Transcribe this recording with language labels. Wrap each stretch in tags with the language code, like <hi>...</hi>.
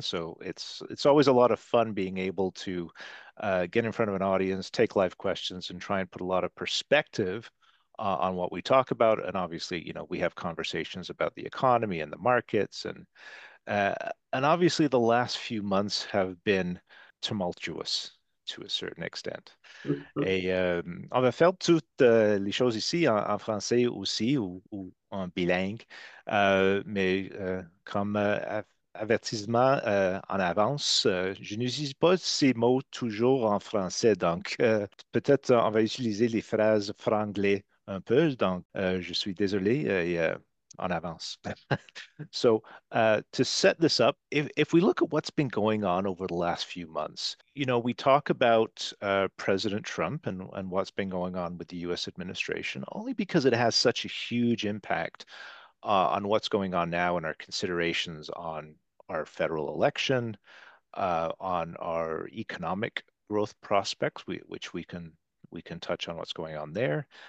<en>So it's always a lot of fun being able to get in front of an audience, take live questions, and try and put a lot of perspective on what we talk about. And obviously, you know, we have conversations about the economy and the markets, and obviously the last few months have been tumultuous to a certain extent. Mm-hmm.</en> <fr>On va faire toutes les choses ici en français aussi ou en bilingue, mais comme avertissement en avance, je n'utilise pas ces mots toujours en français, donc peut-être on va utiliser les phrases franglais un peu, donc je suis désolé en avance.</fr> <en>So to set this up, if we look at what's been going on over the last few months, you know, we talk about President Trump and what's been going on with the U.S. administration only because it has such a huge impact on what's going on now and our considerations on our federal election, on our economic growth prospects, which we can touch on what's going on there.</en>